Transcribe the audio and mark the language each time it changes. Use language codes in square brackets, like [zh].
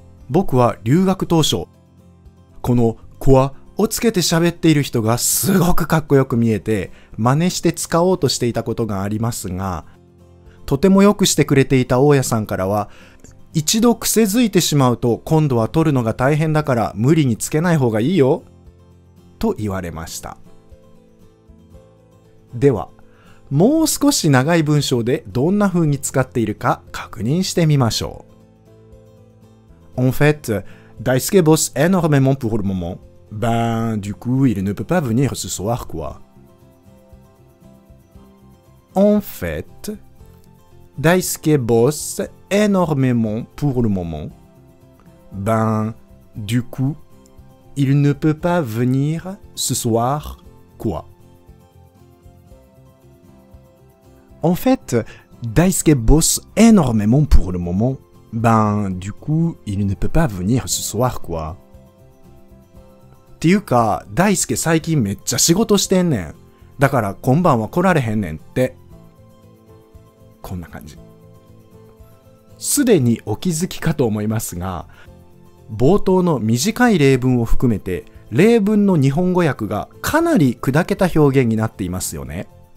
[ja] 僕は留学当初、このコアをつけて喋っている人がすごくかっこよく見えて真似して使おうとしていたことがありますが、とてもよくしてくれていた大家さんからは、一度癖づいてしまうと今度は取るのが大変だから無理につけない方がいいよと言われました。ではもう少し長い文章でどんな風に使っているか確認してみましょう。 [fr] En fait, Daisuke bosse énormément pour le moment. Ben, du coup, il ne peut pas venir ce soir, quoi. En fait, Daisuke bosse énormément pour le moment. Ben, du coup, il ne peut pas venir ce soir, quoi. En fait, Daisuke bosse énormément pour le moment. Ben, du coup, il ne peut pas venir ce soir, quoi. [ja] ていうか、大輔最近めっちゃ仕事してんねん。だから今晩は来られへんねんって。こんな感じ。すでにお気づきかと思いますが、冒頭の短い例文を含めて、例文の日本語訳がかなり砕けた表現になっていますよね。